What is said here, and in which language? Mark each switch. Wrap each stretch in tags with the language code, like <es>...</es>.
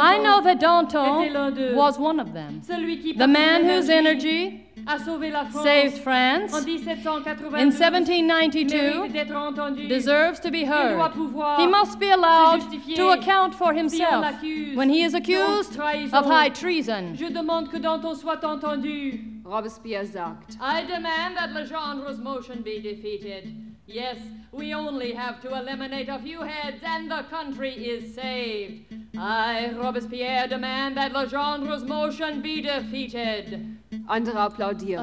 <en>I know that Danton was one of them.</en> <fr>Celui qui</fr> <en>the man whose energy</en> <fr>a sauvé la France</fr> <en>saved France</en> <fr>en 1792</fr> <en>in 1792</en> <fr>d'être entendu.</fr> <en>Deserves to be heard.</en> <fr>Il doit pouvoir</fr> <en>he must be allowed</en> <fr>se justifier</fr> <en>to account for himself</en> <fr>si on l'accuse</fr> <en>when he is accused of high treason.</en> <fr>Je demande que Danton soit entendu.</fr> <de>Robespierre sagt.</de> <en>I demand that Legendre's motion be defeated. Yes, we only have to eliminate a few heads and the country is saved. I, Robespierre, demand that Legendre's motion be defeated.</en> <de>Andere applaudieren.</de>